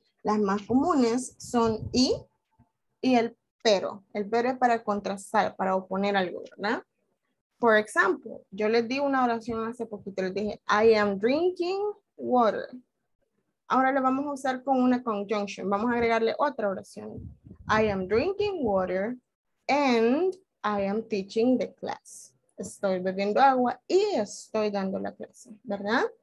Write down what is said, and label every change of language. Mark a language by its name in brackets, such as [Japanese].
[Spanish] Las más comunes son y el pero. El pero es para contrastar, para oponer algo, ¿verdad? Por ejemplo, yo les di una oración hace poquito, les dije, [English] I am drinking water. [Spanish] Ahora lo vamos a usar con una conjunction. Vamos a agregarle otra oración. [English] I am drinking water and I am teaching the class. [Spanish] Estoy bebiendo agua y estoy dando la clase, ¿verdad?